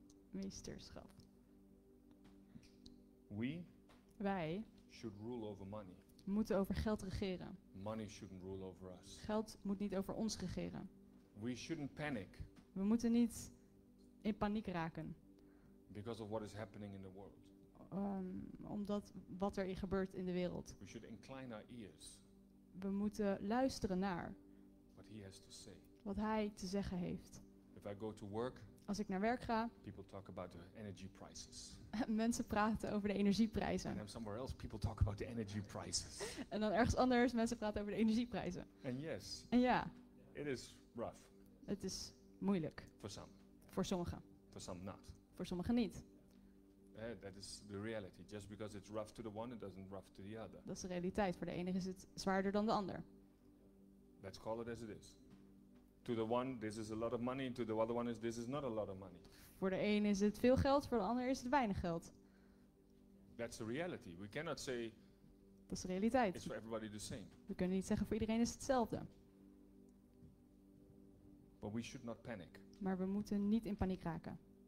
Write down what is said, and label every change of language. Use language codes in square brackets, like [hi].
[nl] Meesterschap. [en] We. [nl] Wij. [en] Should rule over money. [nl] Moeten over geld regeren. [en] Money shouldn't rule over us. [nl] Geld moet niet over ons regeren. [en] We shouldn't panic. [nl] We moeten niet in paniek raken. [en] Because of what is happening in the world. [nl] Omdat wat er gebeurt in de wereld. [en] We should incline our ears. [nl] We moeten luisteren naar [en] what he has to say. [nl] Wat hij te zeggen heeft. [en] If I go to work, [nl] als ik naar werk ga, [en] people talk about the energy prices. [nl] Mensen praten over de energieprijzen. [en] And somewhere else people talk about the energy prices. [nl] En dan ergens anders mensen praten over de energieprijzen. [en] And yes, [nl] en ja, [en] it is rough. [nl] Het is moeilijk. [en] For some. [nl] Voor sommigen. [en] For some not. [nl] Voor sommigen niet. [en] That is the reality. Just because it's rough to the one, it doesn't rough to the other. [nl] Dat is de realiteit. Voor de ene is het zwaarder dan de ander. [en] Let's call it as it is. To the one, this is a lot of money. To the other one, is this is not a lot of money. [nl] Voor de een is het veel geld, voor de ander is het weinig geld. [en] That's the reality. We cannot say. [nl] Dat is de realiteit. [en] It's for everybody the same. [nl] We kunnen niet zeggen voor iedereen is hetzelfde. [en] But we should not panic. [nl] Maar we moeten niet in paniek raken.